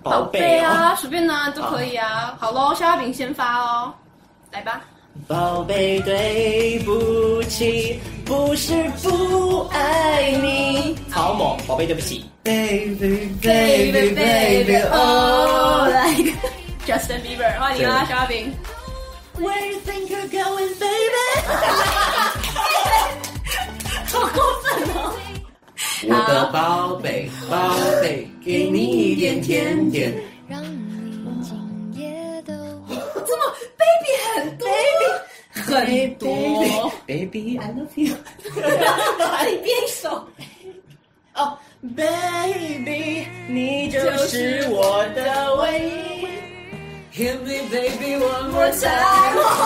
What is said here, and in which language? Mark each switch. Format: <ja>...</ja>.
<zh>宝贝啊，随、啊、便呢、啊、都可以啊。好喽，肖亚饼先发哦，来吧。宝贝，对不起，不是不爱你。好猛，宝贝，对不起。</zh> <en>Baby, oh,</en> <zh>like Justin Bieber， 欢迎啊，肖亚饼。</zh> <en>Where you think you're going, baby？</en> <zh>好过分哦。我的宝贝，宝贝，给你一点甜甜，让你今夜都这么 baby 很多</zh> <en>baby</en> <zh>很多</zh> <en>baby I love you，</en> <zh>自己编一首</zh> <en>哦 baby，</en> <zh>你就是我的唯一</zh> <en>，hit me baby one more time，</en>